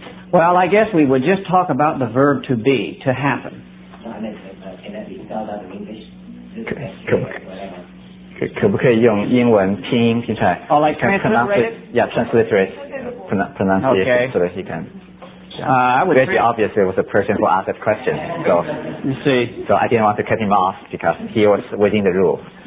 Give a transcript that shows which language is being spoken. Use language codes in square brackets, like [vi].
[en] Well, I guess we would just talk about the verb to be, to happen. No, I meant, can that be spelled out in English? [zh] 可不可以用英文拼音拼出来？ [en] Oh, like transliterate? Yeah, transliterate. Pronounce it. Okay. So that he can. Reggie obviously was the person who asked that question. So, you see. So I didn't want to cut him off because he was within the rules.